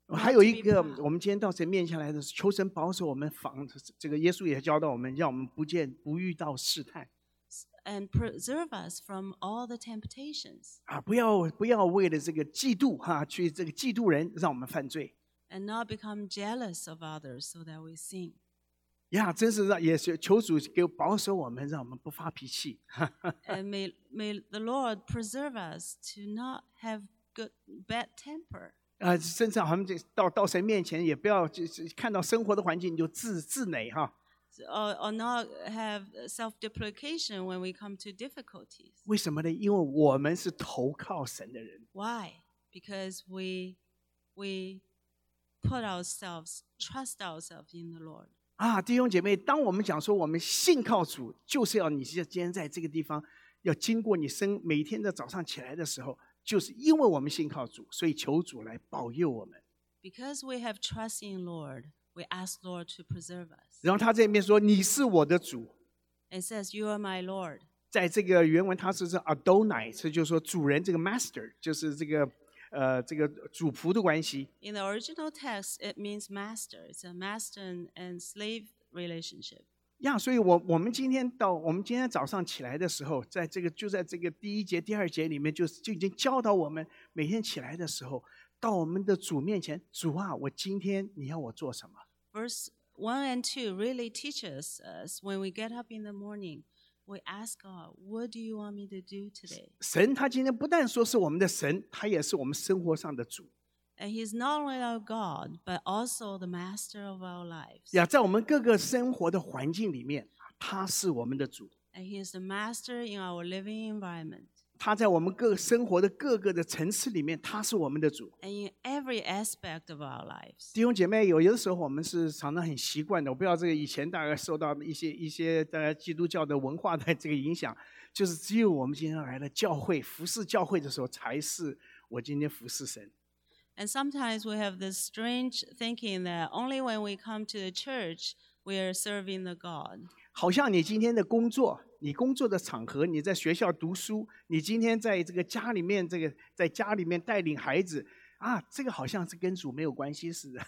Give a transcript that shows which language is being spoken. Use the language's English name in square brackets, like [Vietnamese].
[Chinese] 还有一个，我们今天到神面前来的是求神保守我们防这个。耶稣也教导我们，让我们不遇到试探。 [English] And preserve us from all the temptations. [Chinese] 啊，不要为了这个嫉妒哈，去这个嫉妒人，让我们犯罪。 [English] And not become jealous of others so that we sin. [Chinese] Yeah, 真是让也是求主给保守我们，让我们不发脾气。 [English] And may the Lord preserve us to not have bad temper. [Chinese] 啊，甚至我们这到神面前，也不要就是看到生活的环境就自馁哈。 [English] Or not have self-deprecation when we come to difficulties. [Chinese] 为什么呢？因为我们是投靠神的人。 [English] Why? Because we put ourselves, trust ourselves in the Lord. [Chinese] 啊，弟兄姐妹，当我们讲说我们信靠主，就是要你今天在这个地方，要经过你生每天的早上起来的时候，就是因为我们信靠主，所以求主来保佑我们。 [English] Because we have trust in the Lord. We ask Lord to preserve us. [Chinese] 然后他这边说你是我的主。 [English] It says, you are my Lord. [Chinese] 在这个原文他是 Adonai, 就是说主人这个 master, 就是这个这个主仆的关系。 [English] In the original text, it means master. It's a master and slave relationship. [Chinese] Yeah, 所以我们今天早上起来的时候在这个就在这个第一节第二节里面就已经教导我们每天起来的时候到我们的主面前，主啊，我今天你要我做什么 [English] ？Verse 1 and 2 really teaches us when we get up in the morning, we ask God, "What do you want me to do today?" [Chinese] 神他今天不但说是我们的神，他也是我们生活上的主。 [English] And He is not only our God, but also the master of our lives. [Chinese] 呀，在我们各个生活的环境里面，他是我们的主。 [English] And He is the master in our living environment. [Chinese] 他在我们各生活的各个的层次里面，他是我们的主。 [English] And in every aspect of our lives. [Chinese] 弟兄姐妹，有的时候我们是常常很习惯的，我不知道这个以前大概受到一些大家基督教的文化的这个影响，就是只有我们今天来了教会，服侍教会的时候，才是我今天服侍神。 [English] And sometimes we have this strange thinking that only when we come to the church, we are serving the God. [Chinese] 好像你今天的工作。你工作的场合，你在学校读书，你今天在这个家里面，这个在家里面带领孩子，啊，这个好像是跟主没有关系似的。